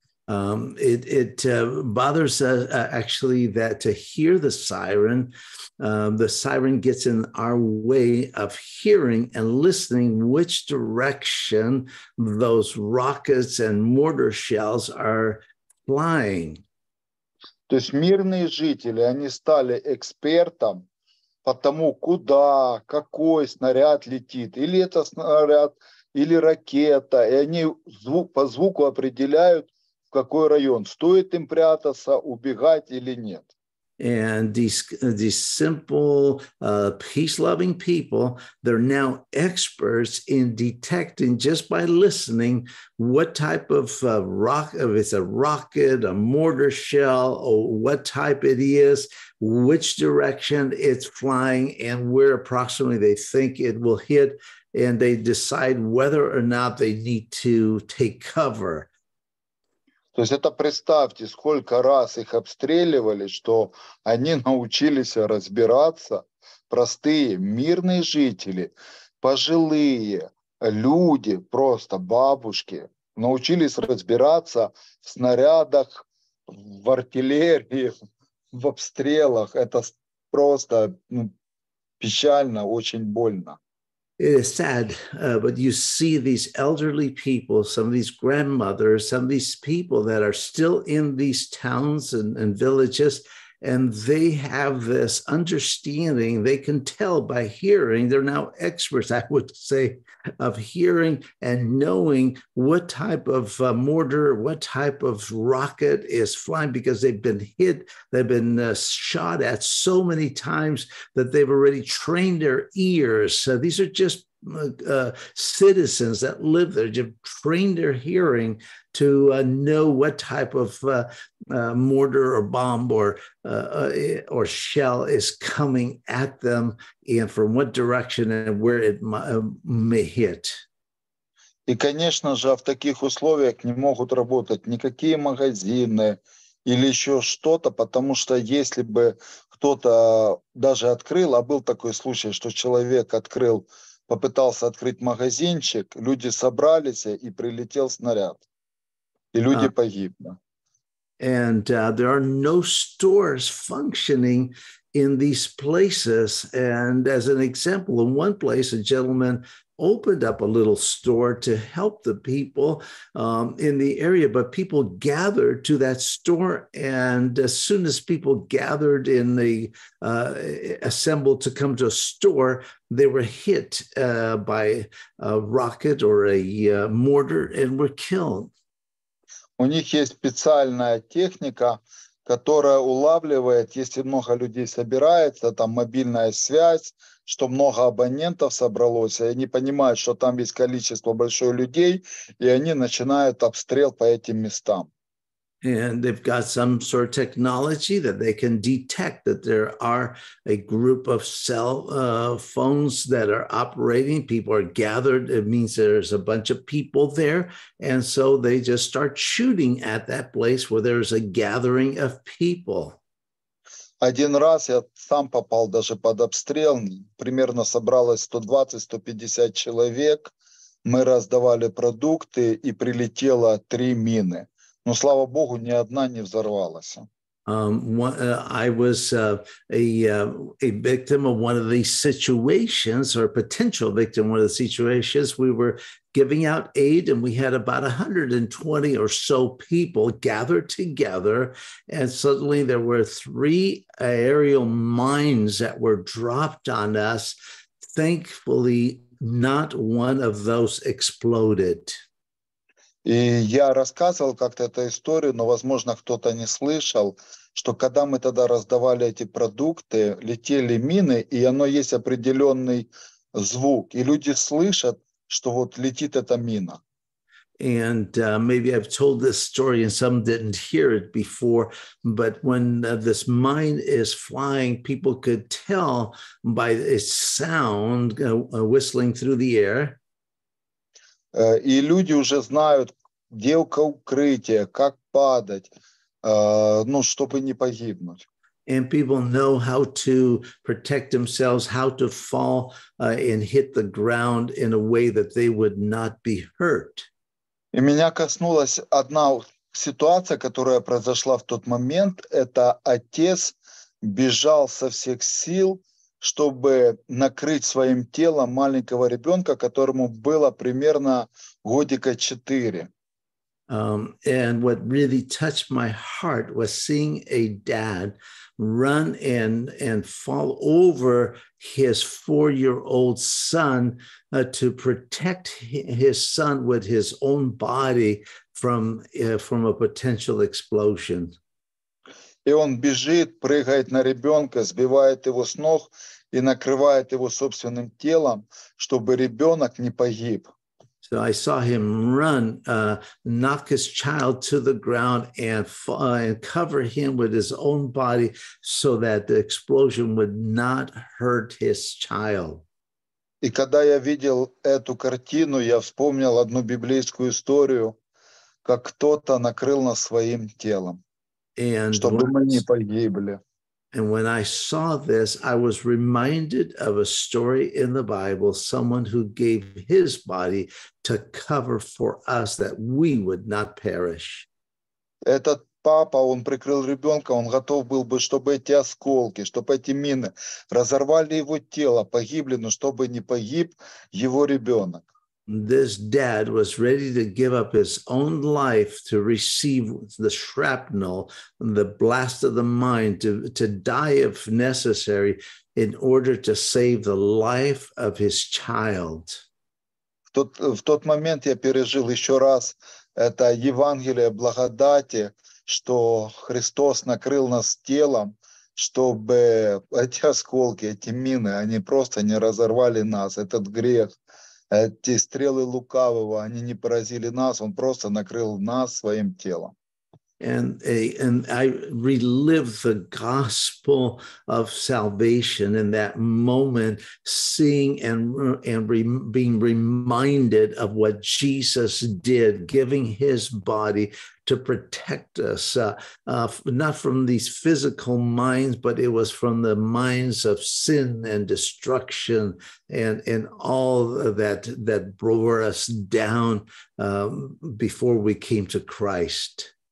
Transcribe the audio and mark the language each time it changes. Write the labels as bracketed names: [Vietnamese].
[English] Bothers us actually that to hear the siren gets in our way of hearing and listening which direction those rockets and mortar shells are flying. [Russian] То есть мирные жители, они стали экспертом по тому, куда, какой снаряд летит, или это снаряд, или ракета, и они по звуку определяют, какой район, стоит им прятаться, убегать или нет. [English] And these simple, peace-loving people, they're now experts in detecting, just by listening, what type of rock, if it's a rocket, a mortar shell, or what type it is, which direction it's flying, and where approximately they think it will hit, and they decide whether or not they need to take cover. [Russian] То есть это представьте, сколько раз их обстреливали, что они научились разбираться, простые мирные жители, пожилые люди, просто бабушки, научились разбираться в снарядах, в артиллерии, в обстрелах. Это просто, ну, печально, очень больно. [English] It is sad, but you see these elderly people, some of these grandmothers, some of these people that are still in these towns and villages, and they have this understanding. They can tell by hearing. They're now experts, I would say, of hearing and knowing what type of mortar, what type of rocket is flying, because they've been hit, they've been shot at so many times that they've already trained their ears. So these are just citizens that live there, just trained their hearing to know what type of mortar or bomb or shell is coming at them and from what direction and where it may hit. [Russian] И, конечно же, в таких условиях не могут работать никакие магазины или еще что-то, потому что если бы кто-то даже открыл, а был такой случай, что человек открыл, попытался открыть магазинчик, люди собрались и прилетел снаряд. И люди погибли. [English] And there are no stores functioning in these places. And as an example, in one place, a gentleman opened up a little store to help the people in the area, but people gathered to that store. And as soon as people gathered in the assembled to come to a store, they were hit by a rocket or a mortar and were killed. [Russian] У них есть специальная техника, которая улавливает, если много людей собирается, там мобильная связь, что много абонентов собралось, и они понимают, что там есть количество большое людей, и они начинают обстрел по этим местам. [English] And they've got some sort of technology that they can detect that there are a group of cell phones that are operating. People are gathered. It means there's a bunch of people there. And so they just start shooting at that place where there's a gathering of people. [Russian] Один раз я сам попал даже под обстрел. Примерно собралось 120-150 человек. Мы раздавали продукты, и прилетело три мины. Но, слава Богу, ни одна не взорвалась. [English] I was a victim of one of these situations, or a potential victim of one of the situations. We were giving out aid, and we had about 120 or so people gathered together, and suddenly there were three aerial mines that were dropped on us. Thankfully, not one of those exploded. [Russian] И я рассказывал как-то эту историю, но, возможно, кто-то не слышал, что когда мы тогда раздавали эти продукты, летели мины, и оно есть определенный звук, и люди слышат, что вот летит эта мина. [English] And maybe I've told this story and some didn't hear it before, but when this mine is flying, people could tell by its sound whistling through the air. [Russian] И люди уже знают, где укрытие, как падать, ну, чтобы не погибнуть. [English] And people know how to protect themselves, how to fall and hit the ground in a way that they would not be hurt. [Russian] И меня коснулась одна ситуация, которая произошла в тот момент. Это отец бежал со всех сил, чтобы накрыть своим телом маленького ребенка, которому было примерно годика 4. [English] And what really touched my heart was seeing a dad run and fall over his 4-year-old son to protect his son with his own body from a potential explosion. [Russian] И он бежит, прыгает на ребенка, сбивает его с ног и накрывает его собственным телом, чтобы ребенок не погиб. [English] So I saw him run, knock his child to the ground and cover him with his own body so that the explosion would not hurt his child. [Russian] И когда я видел эту картину, я вспомнил одну библейскую историю, как кто-то накрыл нас своим телом. [English] And when I saw this, I was reminded of a story in the Bible, someone who gave his body to cover for us that we would not perish. [Russian] Это папа, он прикрыл ребенка, он готов был бы, чтобы эти осколки, чтобы эти мины разорвали его тело, погибли, но чтобы не погиб его ребенок. [English] This dad was ready to give up his own life to receive the shrapnel, the blast of the mine, to die if necessary, in order to save the life of his child. [Russian] В тот момент я пережил еще раз это Евангелие благодати, что Христос накрыл нас телом, чтобы эти осколки, эти мины, они просто не разорвали нас, этот грех. Эти стрелы лукавого, они не поразили нас, он просто накрыл нас своим телом. [English] And I relived the gospel of salvation in that moment, seeing being reminded of what Jesus did, giving his body to protect us, not from these physical minds, but it was from the minds of sin and destruction and all that bore us down before we came to Christ.